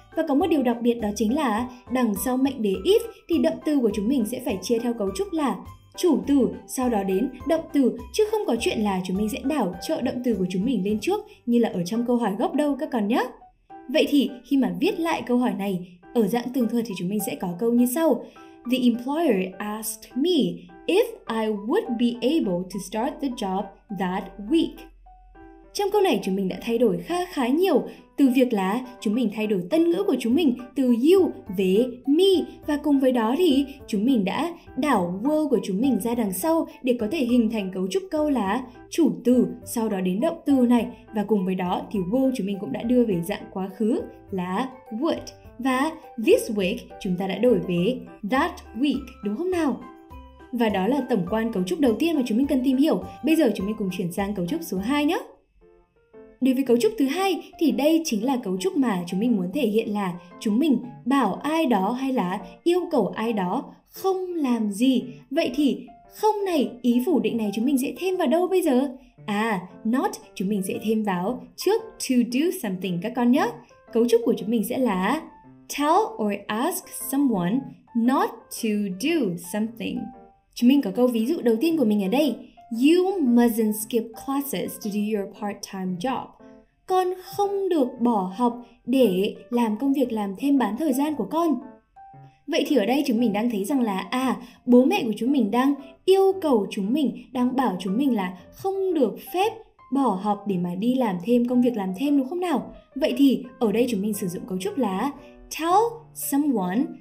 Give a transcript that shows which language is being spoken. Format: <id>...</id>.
<vi>Và có một điều đặc biệt đó chính là đằng sau mệnh đề if thì động từ của chúng mình sẽ phải chia theo cấu trúc là chủ từ, sau đó đến động từ, chứ không có chuyện là chúng mình sẽ đảo trợ động từ của chúng mình lên trước như là ở trong câu hỏi gốc đâu các con nhé. Vậy thì khi mà viết lại câu hỏi này, ở dạng tường thuật thì chúng mình sẽ có câu như sau.</vi> <en>The employer asked me if I would be able to start the job that week.</en> <vi>Trong câu này chúng mình đã thay đổi khá khá nhiều từ việc là chúng mình thay đổi tân ngữ của chúng mình từ you về me và cùng với đó thì chúng mình đã đảo will của chúng mình ra đằng sau để có thể hình thành cấu trúc câu là chủ từ sau đó đến động từ này và cùng với đó thì will chúng mình cũng đã đưa về dạng quá khứ là would và this week chúng ta đã đổi về that week đúng không nào? Và đó là tổng quan cấu trúc đầu tiên mà chúng mình cần tìm hiểu. Bây giờ chúng mình cùng chuyển sang cấu trúc số 2 nhé. Đối với cấu trúc thứ hai thì đây chính là cấu trúc mà chúng mình muốn thể hiện là chúng mình bảo ai đó hay là yêu cầu ai đó không làm gì. Vậy thì không này, ý phủ định này chúng mình sẽ thêm vào đâu bây giờ? À, not chúng mình sẽ thêm vào trước</vi> <en>to do something</en> <vi>các con nhé. Cấu trúc của chúng mình sẽ là</vi> <en>tell or ask someone not to do something.</en> <vi>Chúng mình có câu ví dụ đầu tiên của mình ở đây.</vi> <en>You mustn't skip classes to do your part-time job.</en> <vi>Con không được bỏ học để làm công việc làm thêm bán thời gian của con. Vậy thì ở đây chúng mình đang thấy rằng là à, bố mẹ của chúng mình đang yêu cầu chúng mình, đang bảo chúng mình là không được phép bỏ học để mà đi làm thêm công việc làm thêm đúng không nào? Vậy thì ở đây chúng mình sử dụng cấu trúc là</vi> <en>tell someone</en>